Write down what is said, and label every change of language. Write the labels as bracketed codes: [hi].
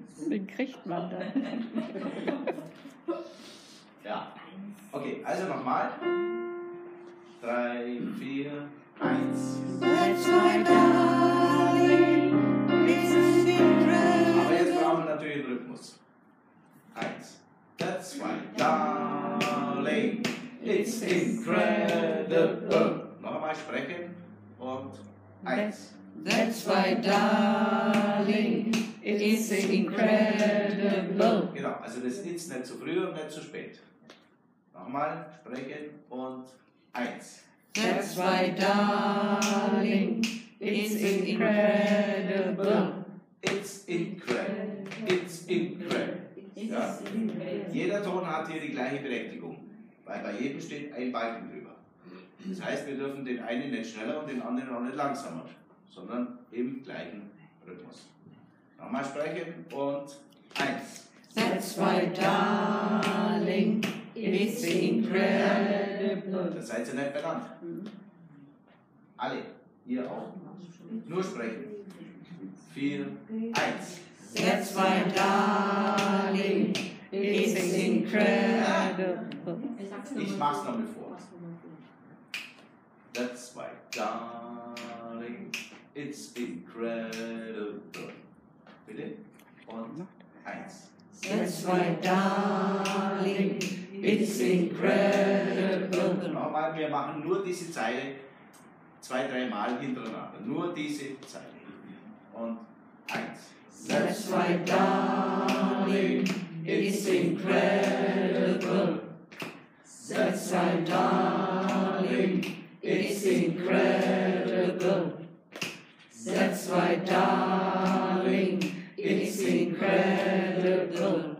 [de] Den kriegt man dann. Ja, okay, also nochmal. 3, 4, 1. Aber jetzt brauchen wir natürlich den Rhythmus. [en] 1, that's my darling, it's incredible. [de] Noch einmal sprechen. Und eins. [en] That's my darling, it is incredible. [de] Genau, also das ist nicht zu früh und nicht zu spät. Nochmal sprechen und eins. [en] That's my darling, it's incredible. It's incredible. It's incredible. Ja. [de] Jeder Ton hat hier die gleiche Berechtigung, weil bei jedem steht ein Balken drüber. Das heißt, wir dürfen den einen nicht schneller und den anderen auch nicht langsamer, sondern im gleichen Rhythmus. Nochmal sprechen und eins. [en] That's my darling, it's incredible. [de] Das seid ihr nicht benannt. Alle, ihr auch. Nur sprechen. 4, 1. [en] That's my darling, it's incredible. [de] Ich mach's nochmal vor. [en] That's my darling, it's incredible. [de] Bitte? Und eins. [en] That's my darling, it's incredible. [de] Nochmal, wir machen nur diese Zeile zwei, dreimal hintereinander. Nur diese Zeile. Und eins. [en] That's my darling, it's incredible. That's my darling. It's incredible. That's my darling. It's incredible.